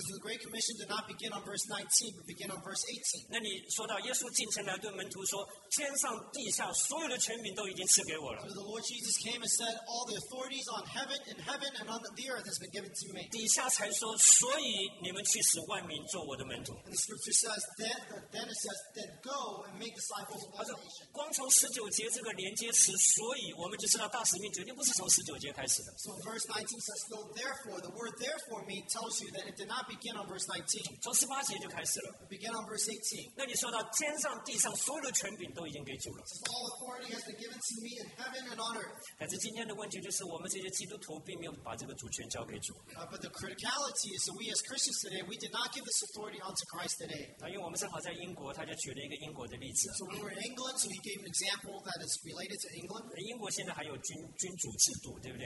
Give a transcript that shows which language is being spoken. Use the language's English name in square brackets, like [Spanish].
[English] So the Great Commission did not begin on verse 19, but begin on verse 18. [Chinese] 那你说到耶稣进城来对门徒说，天上地下所有的权柄都已经赐给我了。 [English] So the Lord Jesus came and said, all the authorities on heaven in heaven and on the earth has been given to me. [Chinese] 底下才说，所以你们去使万民做我的门徒。 [English] And the Scripture says, then it says. Then go and make disciples of all nations. [Chinese] 光从十九节这个连接词，所以我们就知道大使命绝对不是从十九节开始的。 [English] So verse 19 says, "So therefore," the word "therefore" means tells you that it did not begin on verse 19. [Chinese] 从十八节就开始了。 [English] It began on verse 18. [Chinese] 那你说到天上地上所有的权柄都已经给主了。 [English] All authority has been given to me in heaven and on earth. [Chinese] 但是今天的问题就是，我们这些基督徒并没有把这个主权交给主。 [English] But the criticality is that we as Christians today we did not give this authority unto Christ today. [Chinese] 那因为我们正好在英国，他就举了一个英国的例子。 [English] So we were in England, so he gave an example that is related to England. [Chinese] 英国现在还有君主制度，对不对